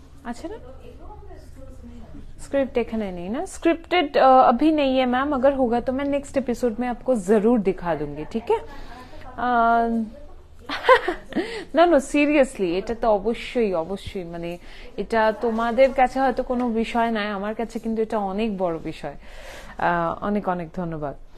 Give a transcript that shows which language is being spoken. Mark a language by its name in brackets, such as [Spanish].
[Bangla] আছে না स्क्रिप्ट? [Hindi] देखने नहीं ना स्क्रिप्टेड अभी नहीं है मैम, अगर होगा तो मैं नेक्स्ट एपिसोड में आपको जरूर दिखा दूंगी। ठीक है ना नो सीरियसली, [Bangla] এটা তো অবশ্যই অবশ্যই মানে এটা তোমাদের কাছে হয়তো কোনো বিষয় নাই, আমার কাছে কিন্তু এটা অনেক বড় বিষয়। অনেক অনেক ধন্যবাদ।